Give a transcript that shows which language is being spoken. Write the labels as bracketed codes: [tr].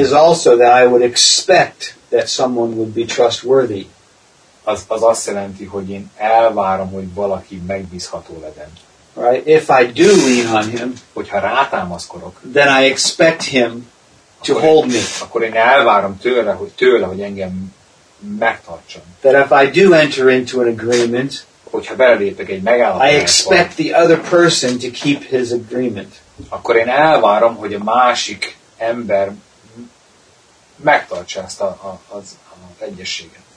[en] is also that I would expect that someone would be trustworthy. [hu] Az azt jelenti, hogy én elvárom, hogy valaki megbízható legyen. [en] Right. If I do lean on him, [hu] hogyha rátámaszkodok, [en] then I expect him to hold me. [hu] Akkor én elvárom tőle, hogy engem megtartson. [en] That if I do enter into an agreement, [hu] hogyha belépek egy megállapodásba, [en] I expect the other person to keep his agreement. [hu] Akkor én elvárom, hogy a másik ember megtartsa ezt az egyességet.